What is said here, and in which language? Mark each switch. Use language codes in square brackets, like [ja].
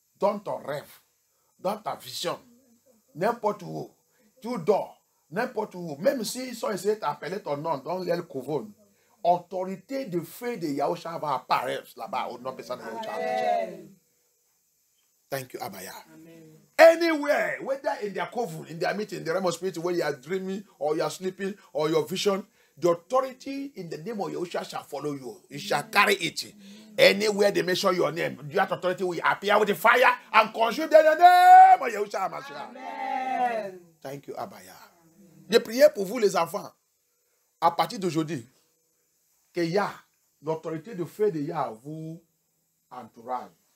[fr] Dans ton rêve, dans ta vision, n'importe où, tu dors, n'importe où, même s'ils sont essayés d'appeler ton nom dans l'aile couvonne, autorité de feu de Yahusha va apparaître là-bas au nom de Yahusha Amashiach. [en] Thank you, Abaya. Amen. Anywhere, whether in their covenant, in their meeting, in the realm of spirit, where you are dreaming or you are sleeping or your vision, the authority in the name of Yahusha shall follow you. You shall carry it. Anywhere they mention your name, your authority will appear with the fire and consume them in the name of Yahusha Amashiach. Amen. Thank you, Abaya. [fr] Je prie pour vous, les enfants, à partir d'aujourd'hui, que Yah, l'autorité de feu de Yah, vous entourage.